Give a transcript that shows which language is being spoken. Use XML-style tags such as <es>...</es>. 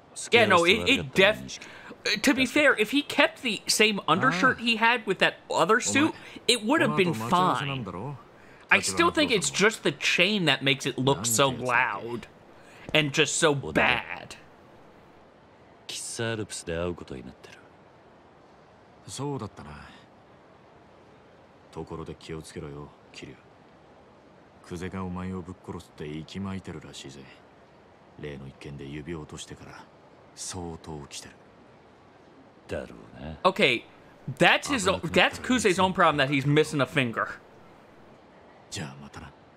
<en>Yeah, no, to be fair, if he kept the same undershirt he had with that other suit, it would have been fine. I still think it's just the chain that makes it look so loud and just so bad.</en> <ja>キサルプスで会うことになってる。そうだったな。ところで気をつけろよ、キリュウ。クゼがお前をぶっ殺すって息巻いてるらしいぜ。例の一件で指を落としてから相当起きてる。だろうね。</ja> <en>Okay, that's Kuze's own problem that he's missing a finger.</en> <ja>じゃあまたな。</ja>